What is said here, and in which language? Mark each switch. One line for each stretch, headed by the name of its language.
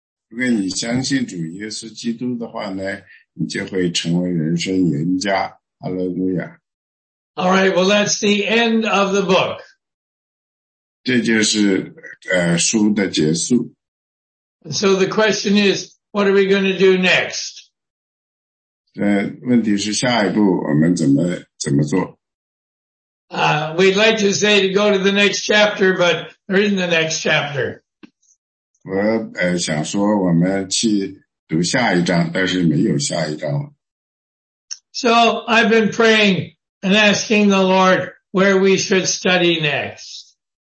Chinese: 如果你相信主耶稣基督的话呢，你就会成为人生赢家。哈利路亚。
English: All right, well, that's the end of the book.
Chinese: 这就是书的结束。
English: So the question is, what are we going to do next?
Chinese: 问题是下一步我们怎么做？
English: We'd like to say to go to the next chapter, but there isn't the next chapter.
Chinese: 我想说我们去读下一章，但是没有下一章。
English: So I've been praying and asking the Lord where we should study next.